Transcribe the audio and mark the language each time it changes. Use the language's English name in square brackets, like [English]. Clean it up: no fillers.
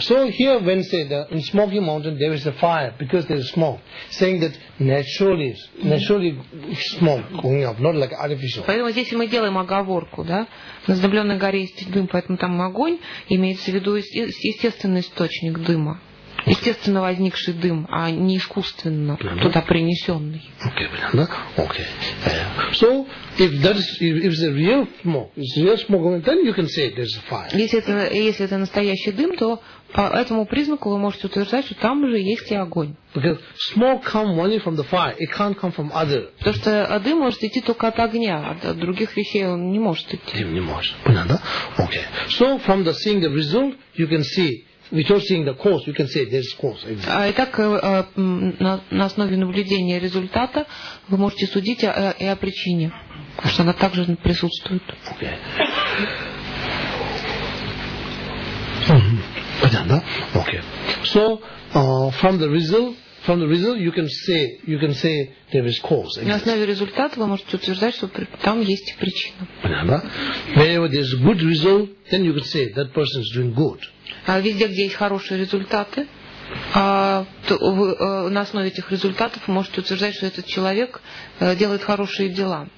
[English] So, here when say that in Smoky Mountain there is a fire because there is smoke, saying that naturally smoke going up, not like artificial. [Russian] Поэтому здесь мы делаем оговорку, да? На задымленной горе есть дым, поэтому там огонь, имеется в виду естественный источник дыма. Естественно возникший дым, а не искусственно туда принесенный. Окей, понятно? Окей. [English] So, if that is, if the real smoke, if the real smoke, then you can say there's a fire. [Russian] Если это настоящий дым, то по этому признаку вы можете утверждать, что там же есть и огонь. [English] Because smoke comes only from the fire, it can't come from other. [Russian] Потому что дым может идти только от огня, от других вещей он не может идти. Дым не может. Понятно, да? Окей. [English] So, from the seeing the result, you can see. Without seeing the cause, you can say there is cause. [Russian] Итак, на основе наблюдения результата вы можете судить и о причине, потому что она также присутствует. Okay. Понятно, да? Okay. [English] So, from the result, you can say there is cause. [Russian] На основе результата вы можете утверждать, что там есть причина. Понятно, да? [English] Wherever there is good result, then you can say that person is doing good. [Russian] Везде, где есть хорошие результаты, то вы, на основе этих результатов вы можете утверждать, что этот человек делает хорошие дела.